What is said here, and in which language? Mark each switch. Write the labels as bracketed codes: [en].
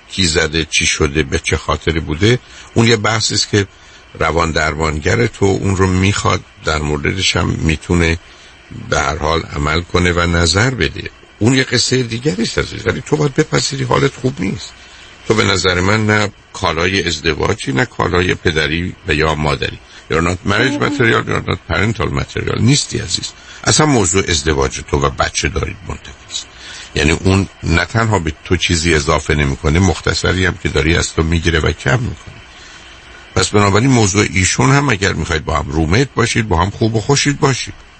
[fa] کی زده، چی شده، به چه خاطری بوده، اون یه بحثی است که روان درمانگر تو اون رو میخواد در موردش هم میتونه به هر حال عمل کنه و نظر بده. اون یه قصه دیگری است عزیز، ولی تو باید بپذیری حالت خوب نیست. تو به نظر من نه کالای ازدواجی نه کالای پدری و یا مادری. [en] You're not marriage material, you're not parental material. [fa] نیستی عزیز. اصلا موضوع ازدواج تو و بچه دارید منتقیست. یعنی اون نه تنها به تو چیزی اضافه نمی کنه، مختصری هم که داری از تو میگیره و کم میکنه. پس بنابراین موضوع ایشون هم اگر میخواید با هم رومیت باشید، با هم خوب و خوشید باشید.